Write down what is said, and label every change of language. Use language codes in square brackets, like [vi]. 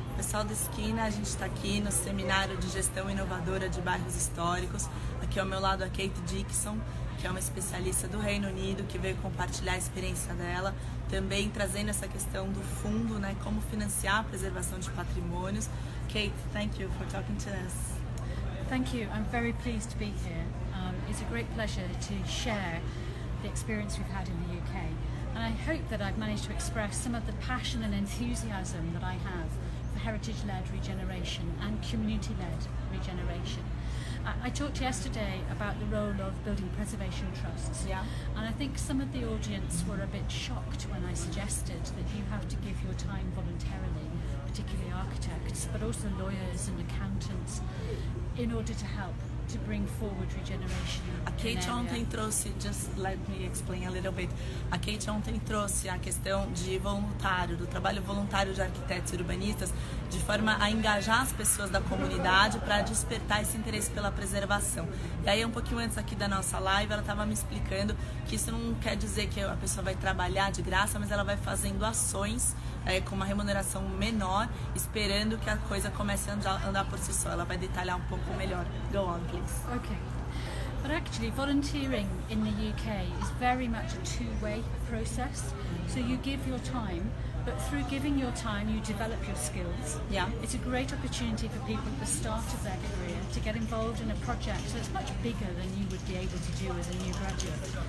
[pt] pessoal da Esquina, a gente está aqui no Seminário de Gestão Inovadora de Bairros Históricos. Aqui ao meu lado a Kate Dixon, que é uma especialista do Reino Unido, que veio compartilhar a experiência dela, também trazendo essa questão do fundo, né, como financiar a preservação de patrimônios. [en] Kate, thank you for talking to us. Thank you. I'm very pleased to be here. It's a great pleasure to share the experience we've had in the UK. And I hope that I've managed to express some of the passion and enthusiasm that I have for heritage-led regeneration and community-led regeneration. I talked yesterday about the role of building preservation trusts. Yeah. And I think some of the audience were a bit shocked when I suggested that you have to give your time voluntarily, particularly architects, but also lawyers and accountants, in order to help to bring forward regeneration. [pt] A Kate ontem trouxe, [en] just let me explain a little bit. [pt] A Kate ontem trouxe a questão de voluntário, do trabalho voluntário de arquitetos e urbanistas, de forma a engajar as pessoas da comunidade para despertar esse interesse pela preservação. E aí, um pouquinho antes aqui da nossa live, ela estava me explicando que isso não quer dizer que a pessoa vai trabalhar de graça, mas ela vai fazendo ações com uma remuneração menor, esperando que a coisa comece a andar por si só. Ela vai detalhar um pouco melhor. [en] Go on, please. Okay. But actually, volunteering in the UK is very much a two-way process. So you give your time, but through giving your time, you develop your skills. Yeah. It's a great opportunity for people at the start of their career to get involved in a project that's much bigger than you would be able to do as a new graduate.